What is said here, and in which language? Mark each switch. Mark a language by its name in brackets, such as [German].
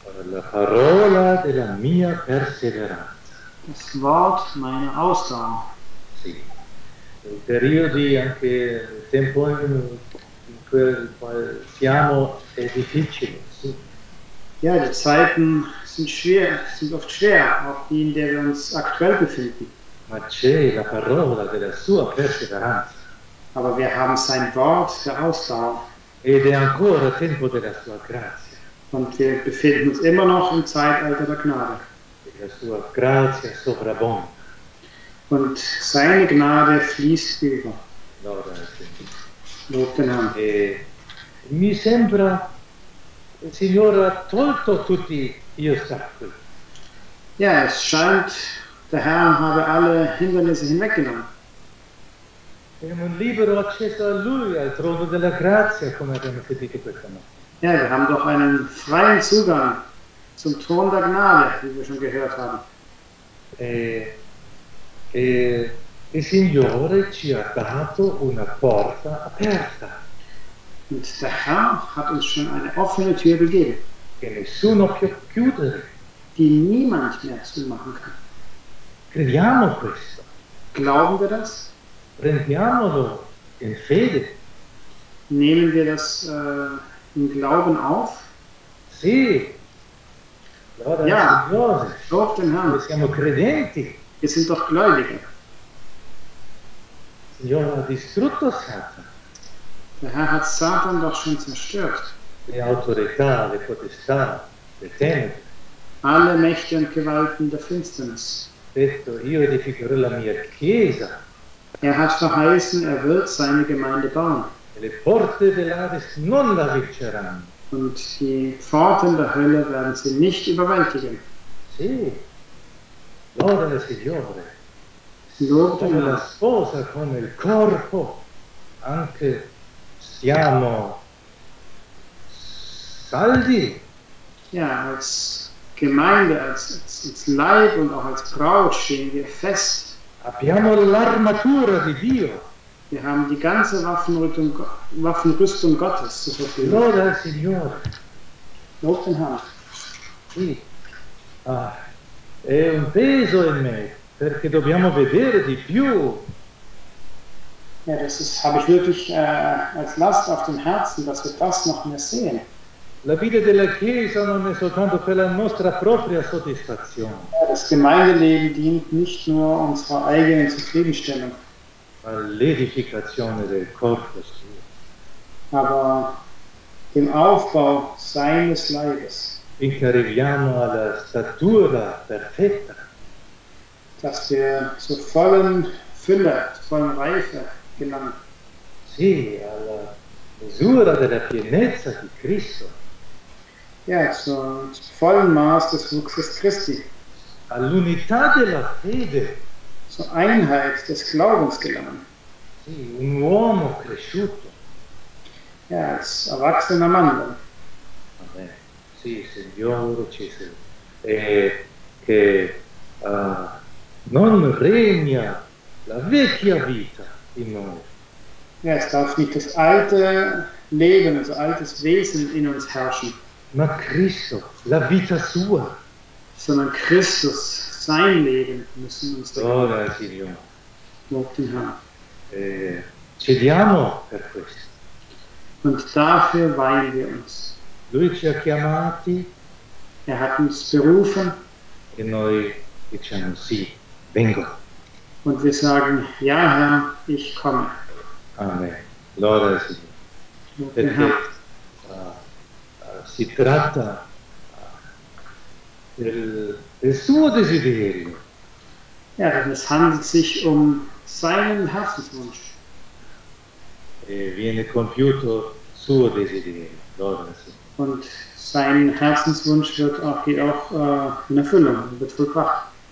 [Italian] La parola della mia perseveranza. [German] Das Wort meiner Ausdauer. [Italian] Sì. In periodi, anche il tempo in cui siamo, è difficile. Sì. [German] Ja, die Zeiten sind schwer, sind oft schwer, auch die, in der wir uns aktuell befinden. [Italian] Ma c'è la parola della sua perseveranza. [German] Aber wir haben sein Wort der Ausdauer. [Italian] Ed è ancora tempo della sua grazia. [German] Und wir befinden uns immer noch im Zeitalter der Gnade. [Italian] Della sua grazia sovrabbonda. [German] Und seine Gnade fließt über. [English] Lord, [German] Lob den Herrn. [Italian] E mi sembra il Signore ha tolto tutti gli ostacoli. [German] Ja, es scheint, der Herr habe alle Hindernisse hinweggenommen. [Italian] Abbiamo un libero accesso a Lui, al trono della grazia, come abbiamo sentito questa notte. [German] Ja, wir haben doch einen freien Zugang zum Thron der Gnade, wie wir schon gehört haben. [Italian] Il Signore ci ha dato una porta aperta. [German] Und der Herr hat uns schon eine offene Tür gegeben. [Italian] Che nessuno può chiudere. [German] Die niemand mehr zumachen kann. [Italian] Crediamo questo. [German] Glauben wir das? [Italian] Prendiamolo in fede. [German] Nehmen wir das im Glauben auf? [Italian] Sì. [German] Ja, doch, den Herrn. Wir [Italian] siamo credenti. [German] Wir sind doch Gläubige. [Italian] Signore ha distrutto Satan. [German] Der Herr hat Satan doch schon zerstört. [Italian] Le autorità, le potestà, le tenebre. [German] Alle Mächte und Gewalten der Finsternis. [Italian] Detto, io edificherò la mia chiesa. [German] Er hat verheißen, er wird seine Gemeinde bauen. [Italian] Le porte dell'Ades non la vinceranno. [German] Und die Pforten der Hölle werden sie nicht überwältigen. [Italian] Sì. Lode del Signore. Lode come la sposa, come il corpo. Anche siamo saldi. [German] Ja, als Gemeinde, als Leib und auch als Braut stehen wir fest. [Italian] Abbiamo l'armatura di Dio. [German] Wir haben die ganze Waffenrüstung Gottes zur Verfügung. [Italian] Lode del Signore. Lode [German] den Herrn. [Italian] Sì. Ah. È un peso in me, perché dobbiamo vedere di più. [German] Ja, das habe ich wirklich als Last auf dem Herzen, dass wir das noch mehr sehen. [Italian] La vita della Chiesa non è soltanto per la nostra propria soddisfazione. [German] Ja, das Gemeindeleben dient nicht nur unserer eigenen Zufriedenstellung. [Italian] Ma l'edificazione del corpo suo. [German] Aber dem Aufbau seines Leibes. [Italian] Finché arriviamo alla statura perfetta. [German] Dass wir zur vollen Fülle, zur vollen Reife gelangen. [Italian] Sì, alla misura della pienezza di Cristo. [German] Ja, zum vollen Maß des Wuchses Christi. [Italian] All'unità della fede. [German] Zur Einheit des Glaubens gelangen. [Italian] Sì, un uomo cresciuto. [German] Ja, als erwachsener Mann. [Italian] Amen. Sì, Signore, ci sei. E che non regna la vecchia vita in noi. [German] Ja, es darf nicht das alte Leben, also altes Wesen in uns herrschen. [Italian] Ma Cristo, la vita sua. [German] Sondern Christus, sein Leben, müssen uns da geben. Lob den Herrn. [Italian] Cediamo per questo. [German] Und dafür weihen wir uns. [Italian] Lui ci ha chiamati. [German] Er hat uns berufen. [Italian] E noi diciamo sì, vengo. [German] Und wir sagen, ja Herr, ich komme. [Italian] Amen. Gloria al Signore. Perché si tratta del suo desiderio. [German] Ja, denn es handelt sich um seinen Herzenswunsch. [Italian] E viene compiuto suo desiderio. Gloria al Signore. [German] Und sein Herzenswunsch wird auch hier auch in Erfüllung, wird vollbracht.